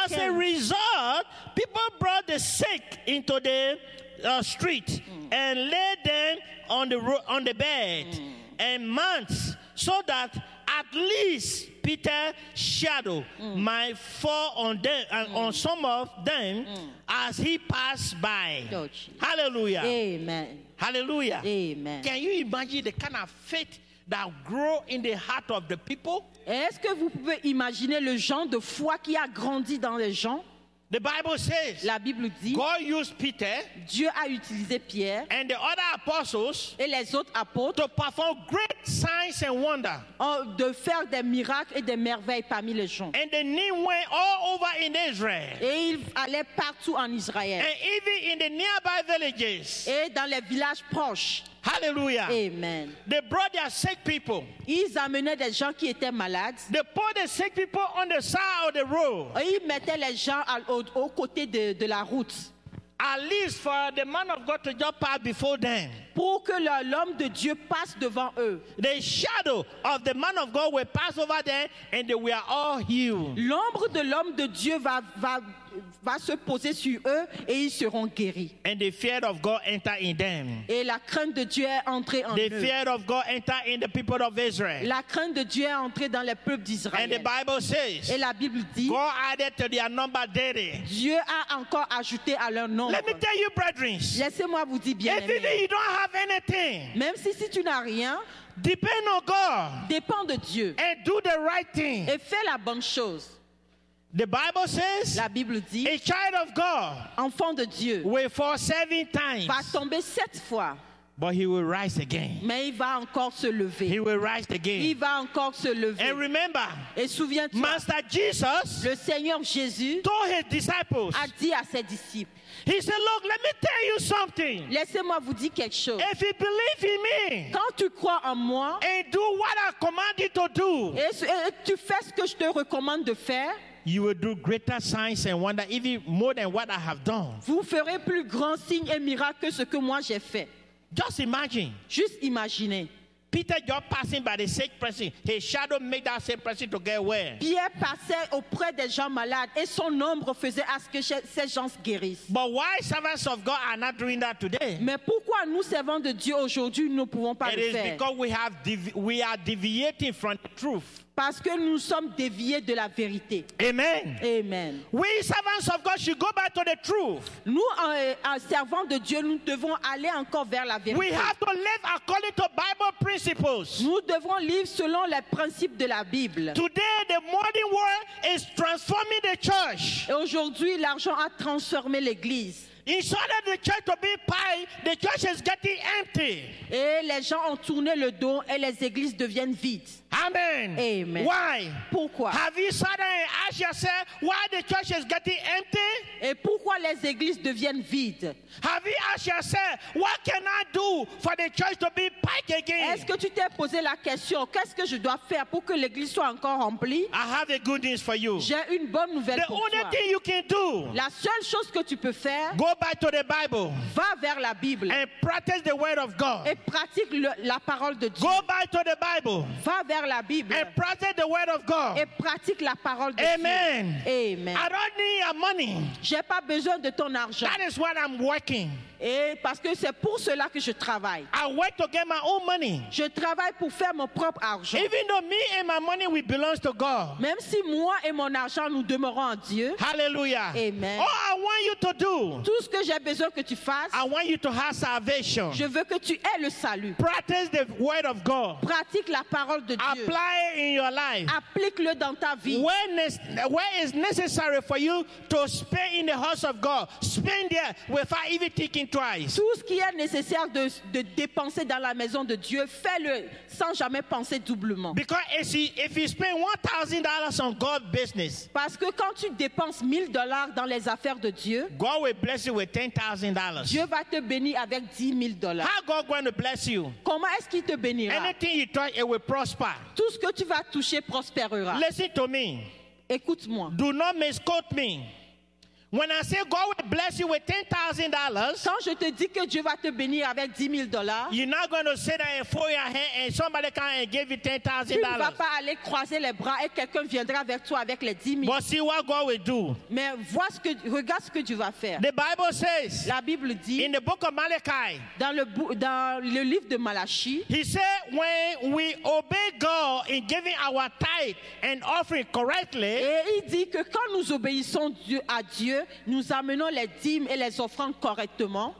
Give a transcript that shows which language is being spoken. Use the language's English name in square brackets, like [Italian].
[English] As a result, people brought the sick into the street and laid them on the bed and mats, so that at least Peter's shadow might fall on them and on some of them as he passed by. Hallelujah. Amen. Hallelujah. Amen. Can you imagine the kind of faith that grow in the heart of the people? [French] Est-ce que vous pouvez imaginer le genre de foi qui a grandi dans les gens? [English] The Bible says, [French] la Bible dit, [English] God used Peter, [French] Dieu a utilisé Pierre, [English] and the other apostles, [French] et les autres apôtres, [English] to perform great signs and wonders, [French] de faire des miracles et des merveilles parmi les gens. [English] And the news went all over in Israel, [French] et il allait partout en Israël, [English] and even in the nearby villages, [French] et dans les villages proches. [English] Hallelujah. Amen. They brought their sick people. [French] Ils amenaient des gens qui étaient malades. [English] They put the sick people on the side of the road. [French] Et ils mettaient les gens au côté de la route. [English] At least for the man of God to just pass before them. [French] Pour que l'homme de Dieu passe devant eux. [English] The shadow of the man of God will pass over there and they were all healed. [French] L'ombre de l'homme de Dieu va se poser sur eux et ils seront guéris. [English] And the fear of God enter in them. [French] Et la crainte de Dieu est entrée en [English] the [French] eux. [English] The fear of God enter in the people of Israel. [French] La crainte de Dieu est entrée dans les peuples d'Israël. [English] And the Bible says, [French] et la Bible dit, [English] God added to their number daily. [French] Dieu a encore ajouté à leur nombre. [English] Let me tell you, brethren. [French] Laissez-moi vous dire bien. [English] If even you don't have anything, [French] même si tu n'as rien, [English] depend on God. [French] Dépend de Dieu. [English] And do the right thing. [French] Et fais la bonne chose. [English] The Bible says, [French] la Bible dit, [English] a child of God, [French] enfant de Dieu, [English] will fall seven times, [French] va tomber sept fois, [English] but he will rise again. [French] Mais il va encore se lever. [English] He will rise again. [French] Il va encore se lever. [English] And remember, [French] et souviens-toi, [English] Master Jesus, [French] le Seigneur Jésus, [English] told his disciples, [French] a dit à ses disciples, [English] he said, look, let me tell you something. [French] Laissez-moi vous dire quelque chose. [English] If you believe in me, [French] quand tu crois en moi, [English] and do what I command you to do, [French] et tu fais ce que je te recommande de faire, [English] you will do greater signs and wonders, even more than what I have done. [French] Vous ferez plus grands signes et miracles que ce que moi j'ai fait. [English] Just imagine. [French] Juste imaginez. [English] Peter just passing by the sick person. His shadow made that same person to get well. [French] Pierre passait auprès des gens malades et son ombre faisait à ce que ces gens guérissent. [English] But why servants of God are not doing that today? [French] Mais pourquoi nous servants de Dieu aujourd'hui ne pouvons pas le faire? [English] It is because we are deviating from the truth. [French] Parce que nous sommes déviés de la vérité. [English] Amen. Amen. We servants of God should go back to the truth. [French] Nous, en servant de Dieu, nous devons aller encore vers la vérité. [English] We have to live according to Bible principles. [French] Nous devons vivre selon les principes de la Bible. [English] Today, the modern world is transforming the church. [French] Et aujourd'hui, l'argent a transformé l'église. [English] Instead of the church to be pie, the church is getting empty. [French] Et les gens ont tourné le dos et les églises deviennent vides. [English] Amen. Amen. Why? [French] Pourquoi? [English] Have you suddenly asked yourself why the church is getting empty? [French] Et pourquoi les églises deviennent vides? [English] Have you asked yourself what can I do for the church to be packed again? [French] Est-ce que tu t'es posé la question qu'est-ce que je dois faire pour que l'église soit encore remplie? [English] I have a good news for you. [French] J'ai une bonne nouvelle [English] the [French] pour toi. [English] The only thing you can do. [French] La seule chose que tu peux faire. [English] Go back to the Bible. [French] Va vers la Bible. [English] And practice the word of God. [French] Et pratique la parole de Dieu. [English] Go back to the Bible. [French] Va vers la Bible. [English] And practice the word of God. [French] Et pratique la parole de [English] Amen. [French] Dieu. Amen. [English] I don't need your money. [French] J'ai pas besoin de ton argent. [English] That is what I'm working. [French] Et parce que c'est pour cela que je travaille. [English] I work to get my own money. [French] Je travaille pour faire mon propre argent. [English] Even though me and my money we belongs to God. [French] Même si moi et mon argent nous demeurons en Dieu. [English] Hallelujah. Amen. All I want you to do. [French] Tout ce que j'ai besoin que tu fasses. [English] I want you to have salvation. [French] Je veux que tu aies le salut. [English] Practice the word of God. [French] Pratique la parole de Dieu. [English] Apply it in your life. [French] Applique-le dans ta vie. [English] Where is necessary for you to spend in the house of God? Spend there without even thinking. [French] Tout ce qui est nécessaire de dépenser dans la maison de Dieu, fais-le sans jamais penser doublement. [English] Because if you spend $1,000 on God's business, [French] parce que quand tu dépenses $1,000 dans les affaires de Dieu, [English] God will bless you with $10,000. [French] Dieu va te bénir avec $10,000. [English] How God going to bless you? [French] Comment est-ce qu'il te bénira? [English] Anything you touch, it will prosper. [French] Tout ce que tu vas toucher prospérera. [English] Listen to me. [French] Écoute-moi. [English] Do not misquote me. When I say God will bless you with $10,000, [French] quand je te dis que Dieu va te bénir avec $10,000, [English] you're not going to say that and fold your hand and somebody come and give you $10,000. [French] Tu ne vas pas aller croiser les bras et quelqu'un viendra vers toi avec les 10 000. [English] But see what God will do. [French] Mais regarde ce que Dieu va faire. [English] The Bible says. [French] La Bible dit. [English] In the book of Malachi. [French] Dans le livre de Malachie. [English] He said when we obey God in giving our tithe and offering correctly. [French] Et il dit que quand nous obéissons à Dieu. Nous amenons les dîmes et les offrandes correctement.